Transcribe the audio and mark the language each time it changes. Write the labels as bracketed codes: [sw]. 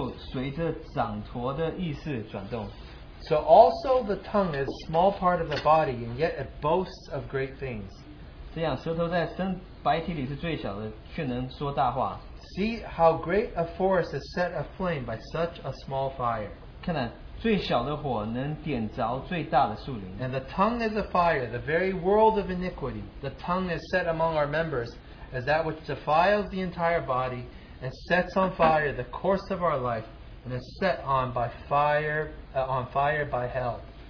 [zh] 看那船只虽然甚大，又被大风吹逼，只用小小的舵，就随着掌舵的意思转动。 [en] So also the tongue is a small part of the body, and yet it boasts of great things. [zh] 这样舌头在身体里是最小的，却能说大话。 [en] See how great a forest is set aflame by such a small fire. [zh] 看来最小的火能点着最大的树林。 [en] And the tongue is a fire, the very world of iniquity. The tongue is set among our members as that which defiles the entire body and sets on fire the course of our life, and is set on by fire, by hell.